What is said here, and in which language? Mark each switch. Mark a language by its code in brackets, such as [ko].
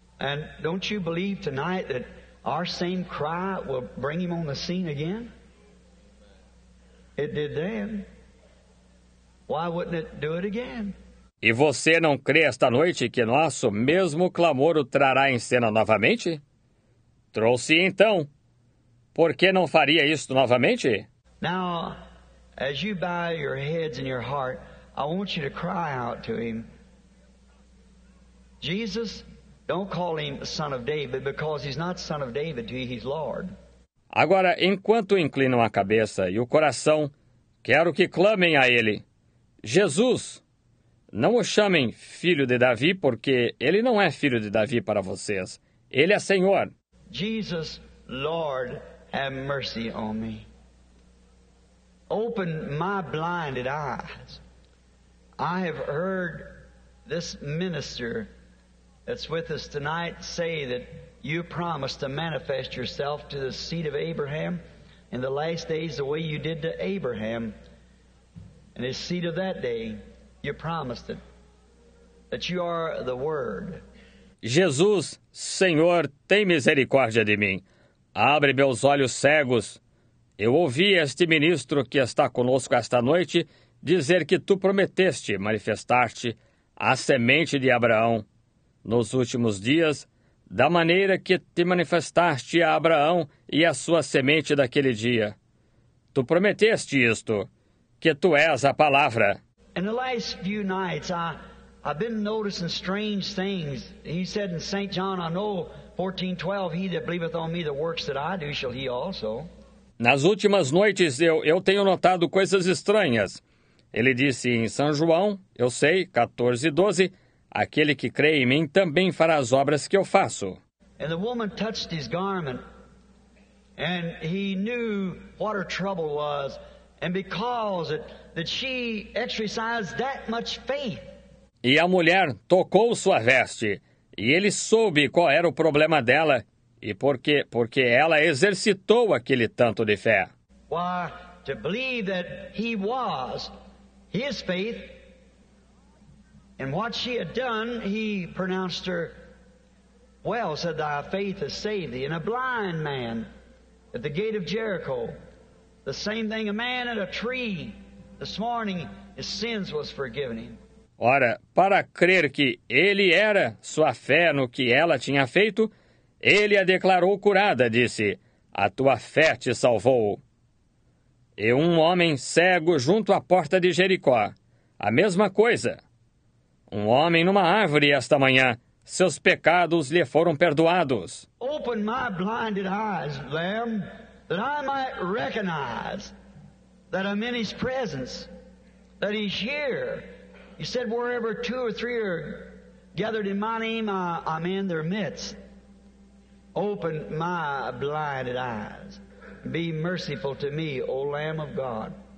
[en] And don't you believe tonight that our same cry will bring him on the scene again? It did then. Why wouldn't it do it again? [pt] E você não crê esta noite que nosso mesmo clamor o trará em cena novamente? Trouxe então. Por que não faria isto novamente? [en] Now, as you bow your heads and your heart, I want you to cry out to him. Jesus, don't call him the son of David, because he's not son of David to you, he's Lord. [pt] Agora, enquanto inclinam a cabeça e o coração, quero que clamem a ele. Jesus! Não o chamem filho de Davi, porque ele não é filho de Davi para vocês. Ele é Senhor. [en] Jesus, Lord, have mercy on me. Open my blinded eyes. I have heard this minister that's with us tonight say that you promised to manifest yourself to the seed of Abraham in the last days the way you did to Abraham and his seed of that day. You promised it, that you are the Word. [pt] Jesus, Senhor, tem misericórdia de mim. Abre meus olhos cegos. Eu ouvi este ministro que está conosco esta noite dizer que tu prometeste manifestar-te à semente de Abraão nos últimos dias, da maneira que te manifestaste a Abraão e a sua semente daquele dia. Tu prometeste isto, que tu és a palavra. [en] In the last few nights, I've been noticing strange things. He said in St. John, I know, 14:12, he that believeth on me, the works that I do, shall he also. [pt] Nas últimas noites, eu tenho notado coisas estranhas. Ele disse em São João, eu sei, 14:12, aquele que crê em mim também fará as obras que eu faço. [en] And the woman touched his garment, and he knew what her trouble was, and because it... that she exercised that much faith. [pt] E a mulher tocou sua veste, e ele soube qual era o problema dela, e porque ela exercitou aquele tanto de fé. [en] Why, to believe that he was, his faith, and what she had done, he pronounced her, well, said, thy faith has saved thee. And a blind man at the gate of Jericho, the same thing, a man at a tree, this morning, his sins was forgiven him. [pt] Ora, para crer que ele era, sua fé no que ela tinha feito, ele a declarou curada, disse: a tua fé te salvou. E um homem cego junto à porta de Jericó, a mesma coisa. Um homem numa árvore esta manhã, seus pecados lhe foram perdoados. [en] Open my blinded eyes, Lamb, that I might recognize that I'm in his presence, that he's here. You said wherever two or three are gathered in my name, I'm in their midst. Open my blinded eyes. Be merciful to me, O Lamb of God.